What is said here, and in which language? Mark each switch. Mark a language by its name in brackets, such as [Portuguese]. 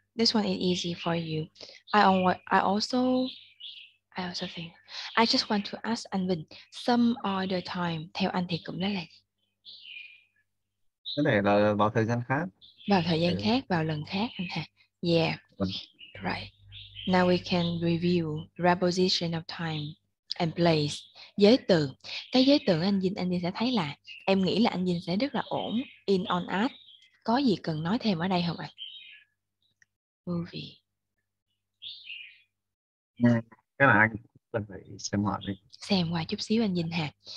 [English] This one is easy for you. I also think. I just want to ask anh Vinh some other time. [Vietnamese] Theo anh thì cũng đó là gì? Cái này là vào thời gian khác. Vào thời gian khác, vào lần khác anh ha. [English] Yeah. Right. Now we can review preposition of time and place. [Vietnamese] Giới từ. Cái giới từ anh Vinh sẽ thấy là em nghĩ là anh Vinh sẽ rất là ổn. In on at. Có gì cần nói thêm ở đây không ạ? [English] Movie. [Vietnamese] Cái này anh cần phải xem lại đi. Xem qua chút xíu anh Vinh ha.